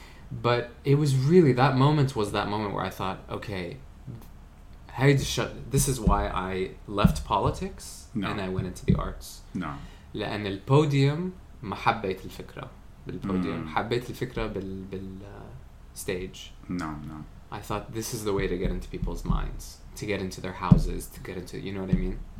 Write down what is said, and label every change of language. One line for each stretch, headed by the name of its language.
English: But it was really that moment was that moment where I thought, okay, hey, this is why I left politics and I went into the arts. No.
Arabic: لأن البوديوم ما حبيت الفكرة بالبوديوم حبيت الفكرة بال stage.
English: No. I thought this is the way to get into people's minds, to get into their houses, to get into you know what I mean.